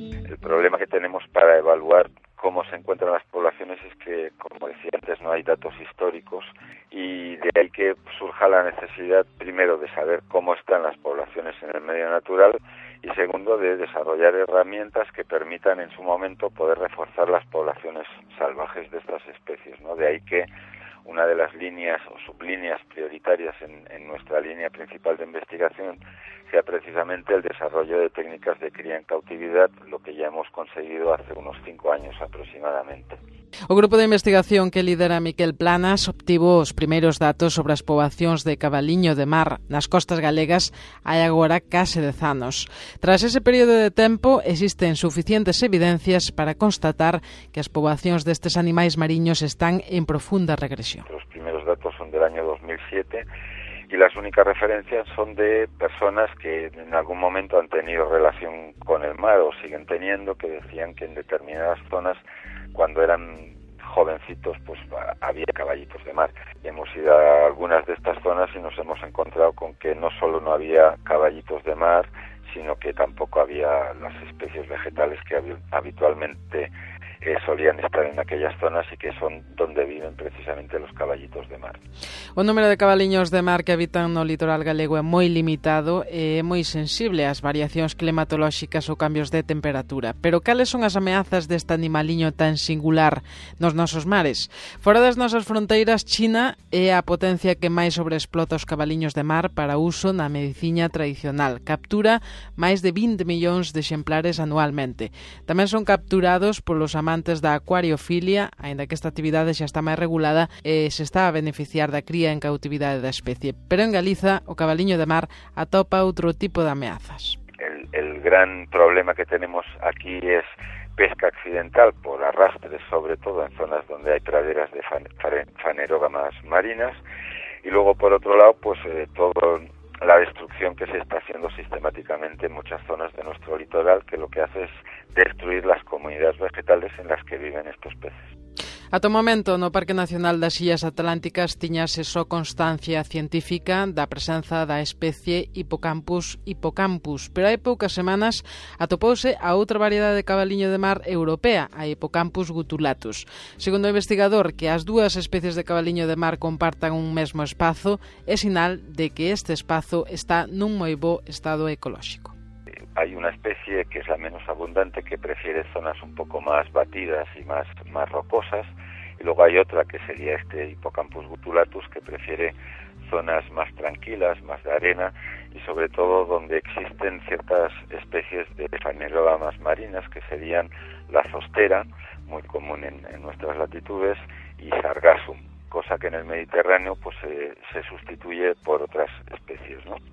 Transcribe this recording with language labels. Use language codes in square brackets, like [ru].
[es] El problema que tenemos para evaluar cómo se encuentran las poblaciones es que, como decía antes, no hay datos históricos y de ahí que surja la necesidad, primero, de saber cómo están las poblaciones en el medio natural y, segundo, de desarrollar herramientas que permitan en su momento poder reforzar las poblaciones salvajes de estas especies, ¿no? De ahí que una de las líneas o sublíneas prioritarias en nuestra línea principal de investigación sea precisamente el desarrollo de técnicas de cría en cautividad, lo que ya hemos conseguido hace unos 5 años aproximadamente. [gl] O grupo de investigación que lidera Miquel Planas obtivo os primeiros datos sobre as poboacións de cabaliño de mar nas costas galegas hai agora case 10 anos. Tras ese período de tempo, existen suficientes evidencias para constatar que as poboacións destes animais mariños están en profunda regresión. Os primeiros datos [es] son del año 2007 [gl] e as únicas referencias [es] son de personas que en algún momento han tenido relación con el mar o siguen teniendo, que decían que en determinadas zonas cuando eran jovencitos pues había caballitos de mar. Hemos ido a algunas de estas zonas y nos hemos encontrado con que no solo no había caballitos de mar, sino que tampoco había las especies vegetales que habitualmente solían estar en aquellas zonas y que son donde viven precisamente los caballitos de mar. [gl] O número de cabaliños de mar que habitan no litoral galego é moi limitado e é moi sensible ás variacións climatolóxicas ou cambios de temperatura. Pero cales son as ameazas deste animaliño tan singular nos nosos mares? Fora das nosas fronteiras, China é a potencia que máis sobreexplota os cabaliños de mar para uso na medicina tradicional. Captura máis de 20 millóns de exemplares anualmente. Tamén son capturados polos amantes da acuariofilia, aínda que esta actividade xa está máis regulada e se está a beneficiar da cría en cautividade da especie. Pero en Galiza, o cabaliño de mar atopa outro tipo de ameazas. [es] El gran problema que tenemos aquí es pesca accidental por arrastres, sobre todo en zonas donde hay praderas de fanerógamas marinas. Y luego, por otro lado, pues todo la destrucción que se está haciendo sistemáticamente en muchas zonas de nuestro litoral, que lo que hace es destruir las comunidades vegetales en las que viven estos peces. [gl] Ata o momento, no Parque Nacional das Illas Atlánticas tiñase só constancia científica da presenza da especie Hippocampus hippocampus, pero hai poucas semanas atopouse a outra variedade de cabaliño de mar europea, a Hippocampus gutulatus. Segundo o investigador, que as dúas especies de cabaliño de mar compartan un mesmo espazo é sinal de que este espazo está nun moi bo estado ecolóxico. [es] Hay una especie que es la menos abundante, que prefiere zonas un poco más batidas y más rocosas, y luego hay otra que sería este Hippocampus gutulatus, que prefiere zonas más tranquilas, más de arena, y sobre todo donde existen ciertas especies de fanerógamas marinas, que serían la zostera, muy común en nuestras latitudes, y sargassum, cosa que en el Mediterráneo pues se sustituye por otras especies, ¿no?